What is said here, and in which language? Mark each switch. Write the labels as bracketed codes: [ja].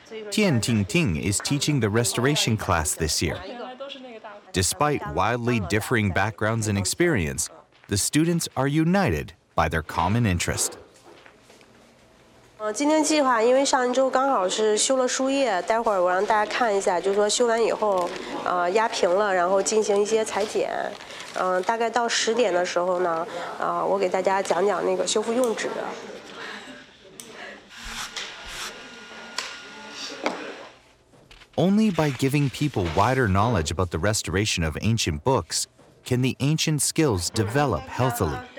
[en] Tian Tingting is teaching the restoration class this year. Despite wildly differing backgrounds and experience, the students are united by their common interest. [zh] 今天计划因为上周刚好是修了书页，待会儿我让大家看一下，就是说修完以后，压平了，然后进行一些裁剪。大概到十点的时候呢，我给大家讲讲那个修复用纸。 [en] Only by giving people wider knowledge about the restoration of ancient books can the ancient skills develop healthily.